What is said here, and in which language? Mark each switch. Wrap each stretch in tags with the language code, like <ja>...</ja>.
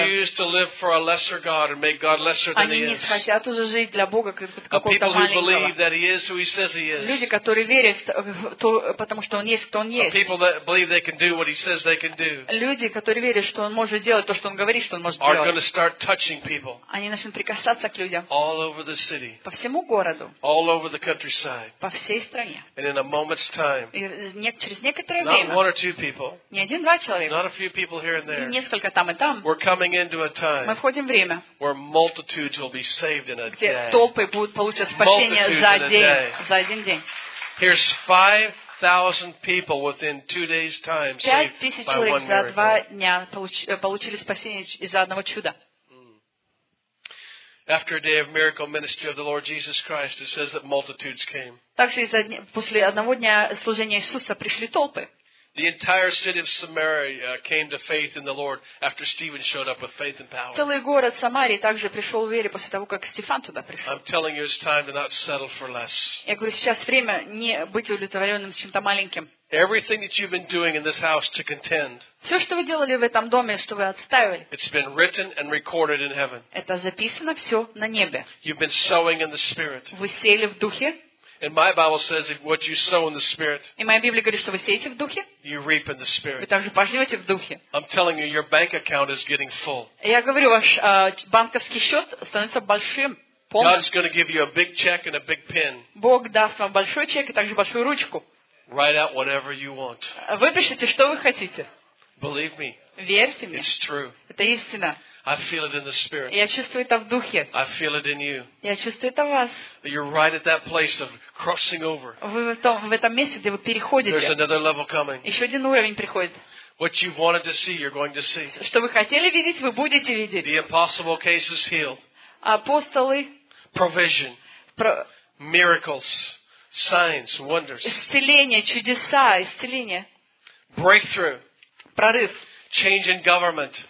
<en>Who refuse to live for a lesser God and make God lesser than He is.</en> <ru>Они не хотят уже жить для Бога как какого-то маленького.</ru> <en>People who believe that He is who He says He is.</en> <ru>Люди, которые верят в то, потому что Он есть, кто Он есть.</ru> <en>People that believe they can do what He says they can do.</en> <ru>Люди, которые верят, что Он может делать то, что Он говорит, что Он может делать.</ru> <en>Are going to start touching people.</en> <ru>Прикасаться к людям</ru> <en>all over the city,</en> <ru>по всему городу,</ru> <en>all over the countryside,</en> <ru>по всей стране.</ru> <en>And in a moment's time,</en> <ru>и через некоторое</ru> <en>not</en> <ru>время,</ru> <en>one or two people,</en> <ru>не один-два человека,</ru> <en>not a few people here and there,</en> <ru>и несколько там и там,</ru> <en>we're coming into a time,</en> <ru>мы входим в время,</ru> <en>where multitudes will be saved in a</en> <ru>где толпы будут получать спасение за день, за один день.</ru> <en>Here's 5,000 people within 2 days' time saved by one miracle.</en> <ru>5,000 человек за два дня получили спасение из-за одного чуда.</ru> <en>After a day of miracle ministry of the Lord Jesus Christ, it says that multitudes came.</en> <ru>Также после одного дня служения Иисуса пришли толпы.</ru> <en>The entire city of Samaria came to faith in the Lord after Stephen showed up with faith and power.</en> <ru>Целый город Самарии также пришел в вере после того, как Стефан туда пришел.</ru> <en>I'm telling you, it's time to not settle for less.</en> <ru>Я говорю, сейчас время не быть удовлетворенным чем-то маленьким.</ru> <en>Everything that you've been doing in this house to contend.</en> <ru>Все, что вы делали в этом доме, что вы отстаивали.</ru> <en>It's been written and recorded in heaven.</en> <ru>Это записано все на небе.</ru> <en>You've been sowing in the spirit.</en> <ru>Вы сеяли в духе.</ru> <en>And my Bible says what you sow in the spirit.</en> <ru>И моя Библия говорит, что вы сеете в духе.</ru> <en>You reap in the spirit.</en> <ru>Вы также пожнете в духе.</ru> <en>I'm telling you, your bank account is getting full.</en> <ru>Я говорю, ваш банковский счет становится большим.</ru> <en>God's going to give you a big check and a big pen.</en> <ru>Бог даст вам большой чек и также большую ручку.</ru> <en>Write out whatever you want.</en> <ru>Выпишите, что вы хотите.</ru> <en>Believe me.</en> <ru>Верьте мне.</ru> <en>It's true.</en> <ru>Это истина.</ru> <en>I feel it in the spirit.</en> <ru>Я чувствую это в духе.</ru> <en>I feel it in you.</en> <ru>Я чувствую это в вас.</ru> <en>You're right at that place of crossing over.</en> <ru>Вы в этом месте, где вы переходите.</ru> <en>There's another level coming.</en> <ru>Еще один уровень приходит.</ru> <en>What you wanted to see, you're going to see.</en> <ru>Что вы хотели видеть, вы будете видеть.</ru> <en>The impossible case is healed.</en> <ru>Апостолы.</ru> <en>Provision. Miracles. Signs, wonders.</en> <ru>Исцеление, чудеса, исцеление.</ru> <en>Breakthrough.</en> <ru>Прорыв.</ru> <en>Change in government.</en>